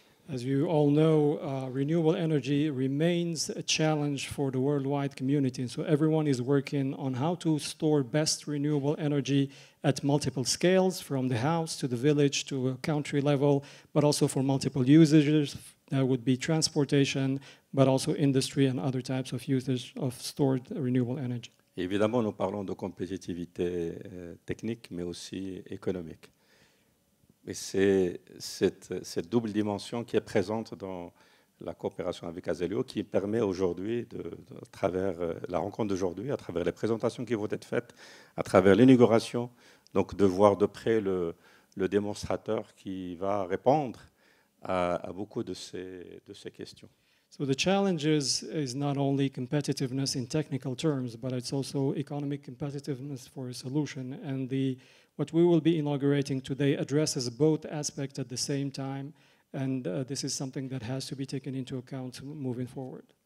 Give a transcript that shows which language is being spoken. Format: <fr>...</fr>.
<en>As you all know, renewable energy remains a challenge for the worldwide community. And so everyone is working on how to store best renewable energy at multiple scales, from the house to the village to a country level, but also for multiple usages. That would be transportation, but also industry and other types of usage of stored renewable energy.</en> <fr>Évidemment, nous parlons de compétitivité technique, mais aussi économique. Et c'est cette double dimension qui est présente dans la coopération avec Azelio, qui permet aujourd'hui, à travers la rencontre d'aujourd'hui, à travers les présentations qui vont être faites, à travers l'inauguration, donc de voir de près le démonstrateur qui va répondre à beaucoup de ces questions.</fr> <en>So the challenge is not only competitiveness in technical terms, but it's also economic competitiveness for a solution. And what we will be inaugurating today addresses both aspects at the same time. And this is something that has to be taken into account moving forward.</en>